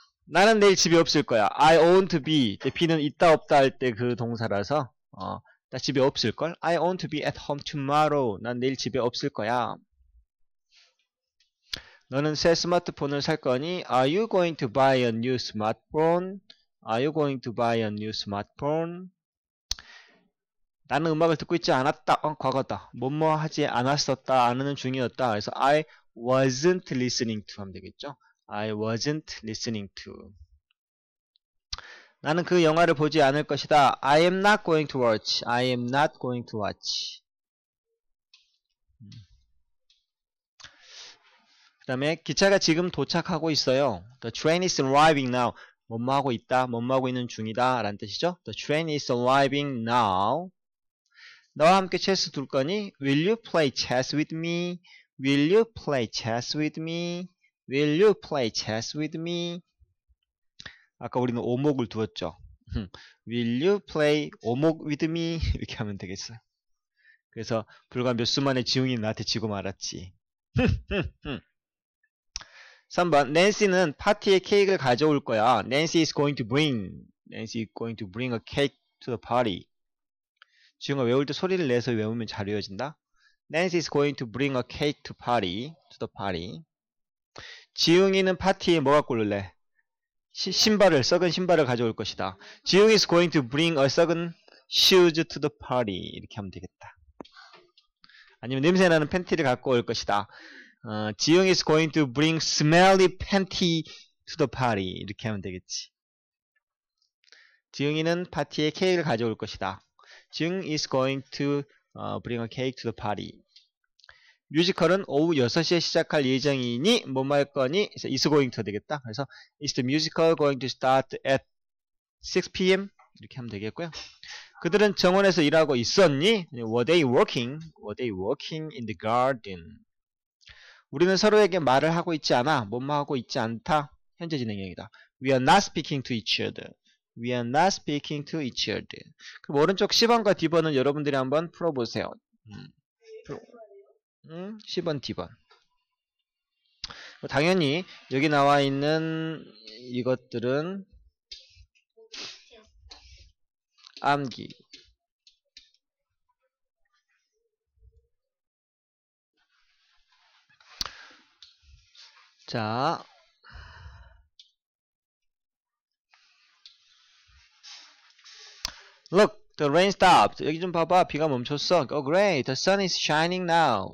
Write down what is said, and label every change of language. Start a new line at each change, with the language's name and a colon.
Korean: 나는 내일 집이 없을 거야.
English: I won't be.
Korean: be는 있다 없다 할 때 그 동사라서 나 집에 없을 걸.
English: I won't be at home tomorrow.
Korean: 난 내일 집에 없을 거야. 너는 새 스마트폰을 살 거니?
English: Are you going to buy a new smartphone? Are you going to buy a new smartphone?
Korean: 나는 음악을 듣고 있지 않았다. 어, 과거다. 뭐뭐 하지 않았었다. 아는 중이었다.
English: 그래서 I wasn't listening to
Korean: 하면 되겠죠.
English: I wasn't listening to.
Korean: 나는 그 영화를 보지 않을 것이다.
English: I am not going to watch. I am not going to watch.
Korean: 그 다음에 기차가 지금 도착하고 있어요.
English: The train is arriving now.
Korean: 뭐뭐하고 있다. 뭐뭐하고 있는 중이다. 라는 뜻이죠.
English: The train is arriving now.
Korean: 너와 함께 체스 둘 거니?
English: Will you play chess with me? Will you play chess with me? Will you play chess with me?
Korean: 아까 우리는 오목을 두었죠.
English: Will you play 오목 with me?
Korean: 이렇게 하면 되겠어요. 그래서 불과 몇 수 만에 지웅이 나한테 지고 말았지. 3번, 낸시는 파티에 케이크를 가져올 거야.
English: Nancy is going to bring. Nancy is going to bring a cake to the party.
Korean: 지웅아, 외울 때 소리를 내서 외우면 잘 외워진다.
English: Nancy is going to bring a cake to party. To the party.
Korean: 지웅이는 파티에 뭐가 꼴래? 신발을, 썩은 신발을 가져올 것이다.
English: 지웅 is going to bring a 썩은 shoes to the party. 이렇게 하면 되겠다.
Korean: 아니면 냄새 나는 팬티를 갖고 올 것이다.
English: 지웅 is going to bring smelly panty to the party.
Korean: 이렇게 하면 되겠지. 지웅이는 파티에 케이크를 가져올 것이다.
English: 지웅 is going to bring a cake to the party.
Korean: 뮤지컬은 오후 6시에 시작할 예정이니 뭐 말 거니?
English: Is going to
Korean: 되겠다.
English: 그래서 Is the musical going to start at 6 PM?
Korean: 이렇게 하면 되겠고요. 그들은 정원에서 일하고 있었니?
English: Were they working? Were they working in the garden?
Korean: 우리는 서로에게 말을 하고 있지 않아. 뭐뭐하고 있지 않다. 현재 진행형이다.
English: We are not speaking to each other. We are not speaking to each other.
Korean: 그럼 오른쪽 10번과 D번은 여러분들이 한번 풀어보세요. 10번, D번. 당연히 여기 나와 있는 이것들은 암기.
English: 자, 'Look, the rain stopped.'
Korean: 여기 좀 봐봐, 비가 멈췄어.
English: 'Oh, great, the sun is shining now.'